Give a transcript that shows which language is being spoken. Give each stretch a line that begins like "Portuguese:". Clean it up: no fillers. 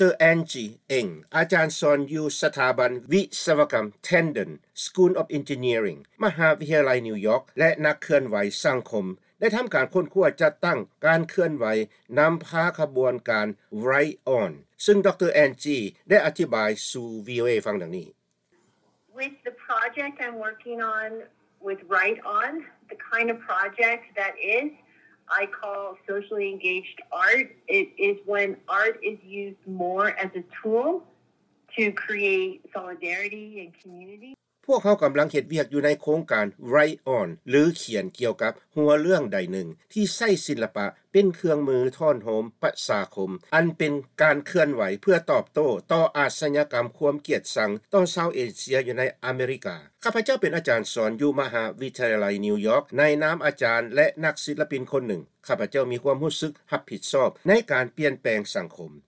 Thai: แอนจีเอ็งอาจารย์สอนอยู่สถาบันวิศวกรรมเทนเดนสคูลออฟอินจิเนียริงมหาวิทยาลัยนิวยอร์กและนักเคลื่อนไหวสังคมได้ทําการค้นคว้าจัดตั้งการเคลื่อนไหวนําพาขบวนการ Right On ซึ่งดร. แอนจีได้อธิบายสู่ VOA ฟังดังนี้
English: With the project I'm working on with Right On, the kind of project that is I call socially engaged art, it is when art is used more as a tool to create solidarity and community
Thai: พวกเขากําลังเฮ็ดเวียกอยู่ในโครงการ Write On หรือเขียนเกี่ยวกับหัวเรื่องใดหนึ่งที่ใช้ศิลปะเป็นเครื่องมือท่อนโฮมประชาคมอันเป็นการเคลื่อนไหวเพื่อตอบโต้ต่ออาชญากรรมความเกลียดชังต่อชาวเอเชียอยู่ในอเมริกาข้าพเจ้าเป็นอาจารย์สอนอยู่มหาวิทยาลัยนิวยอร์กในนามอาจารย์และนักศิลปินคนหนึ่งข้าพเจ้ามีความรู้สึกรับผิดชอบในการเปลี่ยนแปลงสังคม